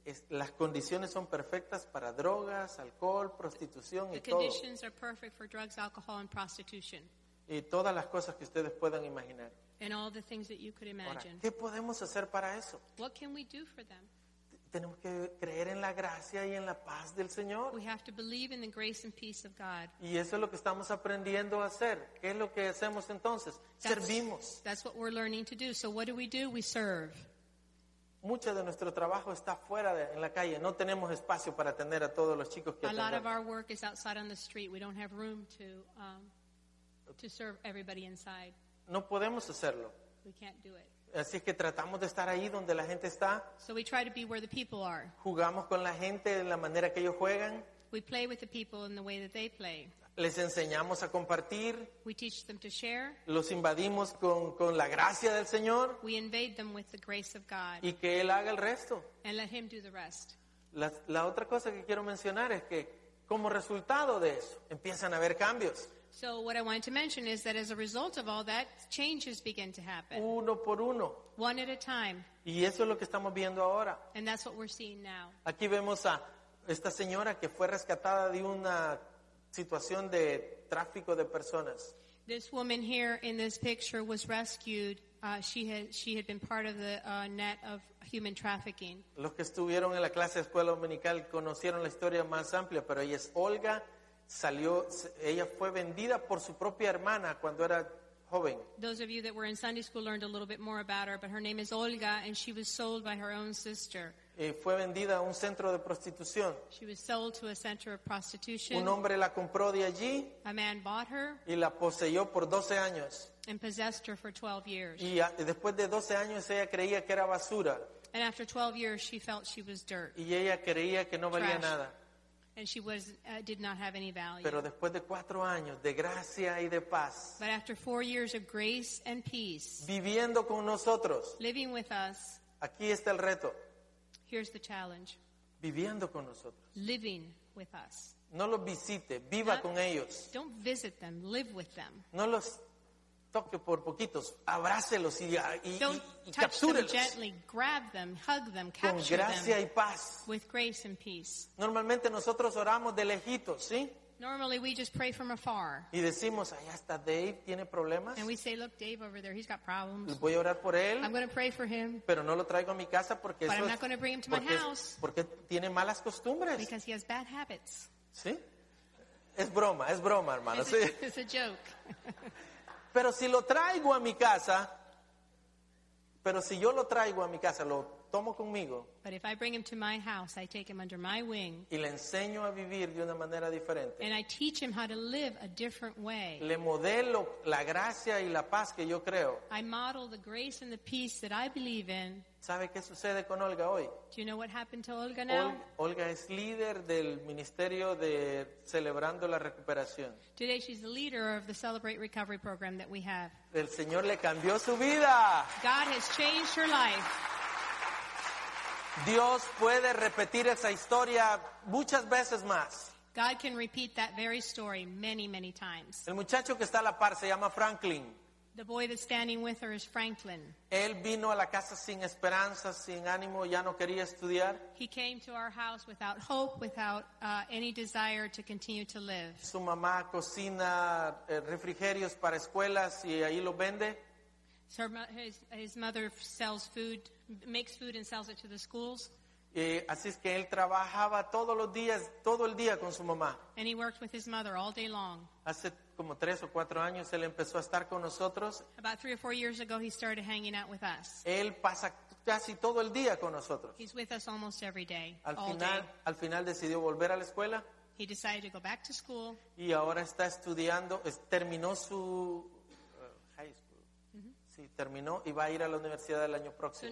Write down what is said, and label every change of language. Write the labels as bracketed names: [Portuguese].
[Spanish] Las condiciones son perfectas para drogas, alcohol, prostitución y todo. [English] The conditions are perfect for drugs, alcohol, and prostitution. [Spanish] Y todas las cosas que ustedes puedan imaginar. [English] And all the things that you could imagine. [Spanish] Ahora, ¿qué podemos hacer para eso? [English] What can we do for them? [Spanish] Tenemos que creer en la gracia y en la paz del Señor. [English] We have to believe in the grace and peace of God. [Spanish] Y eso es lo que estamos aprendiendo a hacer. ¿Qué es lo que hacemos entonces? Servimos. [English] That's what we're learning to do. [Spanish] So what do? [English] We serve. [Spanish] Mucho de nuestro trabajo está fuera en la calle. No tenemos espacio para atender a todos los chicos que atendemos. [English] A lot of our work is outside on the street. We don't have room to serve everybody inside. [Spanish] No podemos hacerlo. [English] We can't do it. [Spanish] Así es que tratamos de estar ahí donde la gente está. [English] So we try to be where the people are. [Spanish] Jugamos con la gente en la manera que ellos juegan. [English] We play with the people in the way that they play. [Spanish] Les enseñamos a compartir. [English] We teach them to share. [Spanish] Los invadimos con la gracia del Señor. [English] We invade them with the grace of God. [Spanish] Y que Él haga el resto. [English] And let Him do the rest. [Spanish] La otra cosa que quiero mencionar es que como resultado de eso empiezan a haber cambios. [English] So what I wanted to mention is that as a result of all that, changes begin to happen. [Spanish] Uno por uno. [English] One at a time. [Spanish] Y eso es lo que estamos viendo ahora. [English] And that's what we're seeing now. [Spanish] Aquí vemos a esta señora que fue rescatada de una situación de tráfico de personas. [English] This woman here in this picture was rescued. She had been part of the net of human trafficking. [Spanish] Los que estuvieron en la clase de escuela dominical conocieron la historia más amplia, pero ella es Olga. Salió, ella fue vendida por su propia hermana cuando era joven. [English] Those of you that were in Sunday school learned a little bit more about her, but her name is Olga, and she was sold by her own sister. [Spanish] Fue vendida a un centro de prostitución. [English] She was sold to a center of prostitution. [Spanish] Un hombre la compró de allí. [English] A man bought her. [Spanish] Y la poseyó por 12 años. [English] And possessed her for 12 years. [Spanish] Y después de 12 años ella creía que era basura. [English] And after 12 years she felt she was dirt. [Spanish] Y ella creía que no valía Nada. [English] And she was did not have any value. [Spanish] Pero después de 4 años de gracia y de paz. [English] But after 4 years of grace and peace. [Spanish] Viviendo con nosotros. [English] Living with us. [Spanish] Aquí está el reto. [English] Here's the challenge. [Spanish] Viviendo con nosotros. [English] Living with us. [Spanish] No los visite, viva con ellos. [English] Don't visit them, live with them. [Spanish] No los toque por poquitos, abrácelos y captúrelos. [English] Don't touch them gently, grab them, hug them, capture them. [Spanish] Con gracia y paz. [English] With grace and peace. [Spanish] Normalmente nosotros oramos de lejitos, ¿sí? [English] Normally we just pray from afar. [Spanish] Y decimos, allá está Dave, tiene problemas. [English] And we say, look, Dave over there, he's got problems. [Spanish] Voy a orar por él. [English] I'm going to pray for him. [Spanish] Pero no lo traigo a mi casa porque [English] but [Spanish] eso es, [English] not going to bring him to my house. [Spanish] Porque tiene malas costumbres. [English] Because he has bad habits. [Spanish] ¿Sí? Es broma, hermano. [English] It's [Spanish] sí. [English] It's a joke. [Spanish] Pero si lo traigo a mi casa, pero si yo lo traigo a mi casa, lo tomo conmigo. [English] But if I bring him to my house, I take him under my wing. [Spanish] Y le enseño a vivir de una manera diferente. [English] And I teach him how to live a different way. [Spanish] Le modelo la gracia y la paz que yo creo. [English] I model the grace and the peace that I believe in. [Spanish] ¿Sabe qué sucede con Olga hoy? [English] Do you know what happened to Olga now? [Spanish] Olga es líder del ministerio de Celebrando la Recuperación. [English] Today she's the leader of the Celebrate Recovery program that we have. [Spanish] El Señor le cambió su vida. [English] God has changed her life. [Spanish] Dios puede repetir esa historia muchas veces más. [English] God can repeat that very story many, many times. [Spanish] El muchacho que está a la par se llama Franklin. [English] The boy that's standing with her is Franklin. [Spanish] Él vino a la casa sin esperanza, sin ánimo, ya no quería estudiar. [English] He came to our house without hope, without any desire to continue to live. [Spanish] Su mamá cocina refrigerios para escuelas y ahí lo vende. [English] So his mother sells food, makes food and sells it to the schools. [Spanish] Y así es que él trabajaba todos los días, todo el día con su mamá. [English] And he worked with his mother all day long. [Spanish] Hace como 3 o 4 años él empezó a estar con nosotros. [English] About 3 or 4 years ago he started hanging out with us. [Spanish] Él pasa casi todo el día con nosotros. [English] He's with us almost every day. [Spanish] Al final decidió volver a la escuela. [English] He decided to go back to school. [Spanish] Y ahora está estudiando, terminó su high school. Mm-hmm. Sí, terminó y va a ir a la universidad el año próximo.